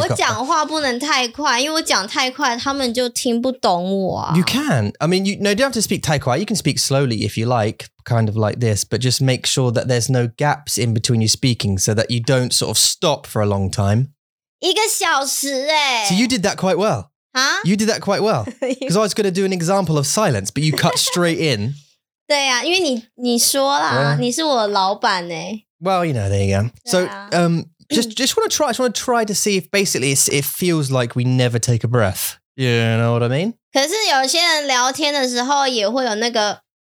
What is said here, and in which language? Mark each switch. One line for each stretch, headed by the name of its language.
Chinese: 我讲话不能太快, 因为我讲太快, 他们就听不懂我啊。
English: You can, I mean, you, no, you don't have to speak
Chinese: 太快,
English: you can speak slowly if you like, kind of like this, but just make sure that there's no gaps in between you speaking so that you don't sort of stop for a long time.
Chinese: 一个小时欸!
English: So you did that quite well. Huh? You did that quite well. Because I was going to do an example of silence, but you cut straight in.
Chinese: 对啊,因为你说啦,你是我的老板欸。
English: Well, you know, there you go. So, Just want to try to see if basically it feels like we never take a breath. You know what I mean?
Chinese: 可是有些人聊天的时候也会有那个